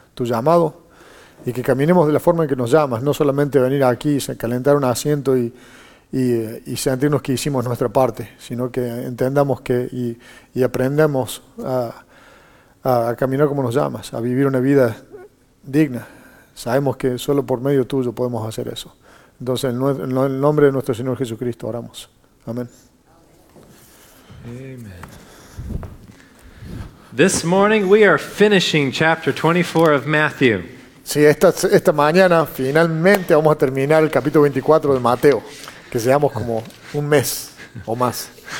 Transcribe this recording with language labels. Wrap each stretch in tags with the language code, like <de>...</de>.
<es>tu llamado y que caminemos de la forma en que nos llamas, no solamente venir aquí y calentar un asiento y sentirnos que hicimos nuestra parte, sino que entendamos que y aprendamos a caminar como nos llamas, a vivir una vida digna. Sabemos que solo por medio tuyo podemos hacer eso. Entonces, en el nombre de nuestro Señor Jesucristo, oramos. Amén.</es> <en>Amen. This morning we are finishing chapter 24 of Matthew.</en> <es>Sí, esta mañana finalmente vamos a terminar el capítulo 24 de Mateo, que seamos como un mes o más.</es>